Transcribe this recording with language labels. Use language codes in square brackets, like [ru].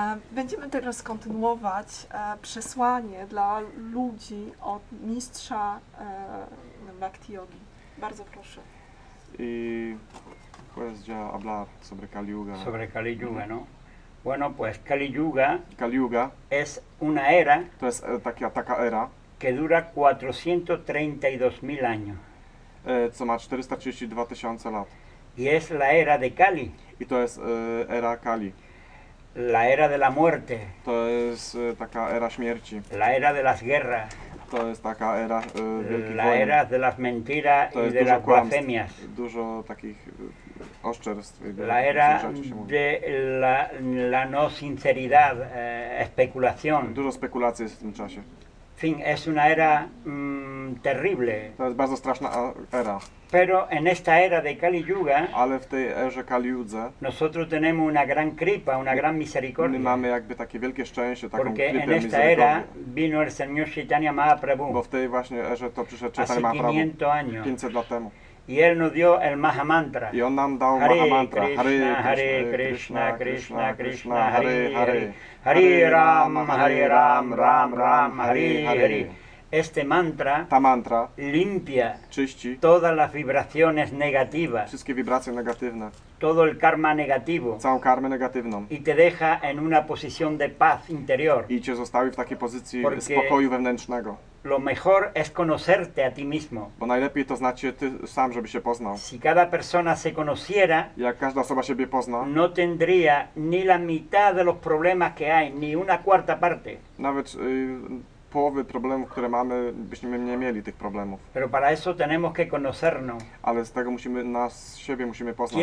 [pl] Będziemy teraz kontynuować przesłanie dla ludzi od mistrza Bhakti Yogi. Bardzo proszę. [es] I puedes ya hablar sobre Kali Yuga. Sobre Kali Yuga, no. Bueno, pues Kali Yuga, Kali Yuga es una era, [pl] to jest taka era [es] que dura 432,000 años. [pl] Co ma 432 tysiące lat. [es] Y es la era de Kali. [pl] I to jest era Kali. [es] La era de la muerte. [pl] To jest taka era śmierci. [es] La era de las guerras. [pl] To jest taka era wielkich [es] la [pl] wojen. [es] La era de las mentiras to y de las blasfemias. [pl] Dużo takich oszczerstw. [es] La era de la no sinceridad, especulación. [pl] Dużo spekulacji jest w tym czasie. [es] Fin, es una era terrible. [pl] To jest bardzo straszna era. [es] Pero en esta era de Kali Yuga, [pl] ale w tej erze Kali Yudze, [es] nosotros tenemos una gran kripa, una gran misericordia. [pl] My mamy jakby takie wielkie szczęście, taką [es] porque [pl] kripę [es] en esta era vino el señor Chaitanya Mahaprabhu. [pl] Bo w tej właśnie erze to przyszedł Chaitanya Mahaprabhu. 500 lat temu. [es] Y él nos dio el Maha Mantra. [pl] I on nam dał Maha Mantra. [sa] Hare Krishna, Hare Krishna, Krishna Krishna, Hare Hare. Hare Ram, Hare Ram, Ram Ram, Hare Hare. [es] Este mantra, [pl] ta mantra [es] limpia, [pl] czyści [es] todas las vibraciones negativas, [pl] wszystkie wibracje negatywne, [es] todo el karma negativo, [pl] całą karmę negatywną, [es] y te deja en una posición de paz interior, [pl] i cię zostawi w takiej pozycji spokoju wewnętrznego. [es] Lo mejor es conocerte a ti mismo. [pl] Bo najlepiej to znać się ty sam, żeby się poznał. [es] Si cada persona se conociera, [pl] jak każda osoba siebie pozna, [es] no tendría ni la mitad de los problemas que hay, ni una cuarta parte. [pl] Nawet połowy problemów, które mamy, byśmy nie mieli tych problemów. [es] Pero para eso tenemos que conocernos. [pl] Ale z tego musimy nas siebie musimy poznać.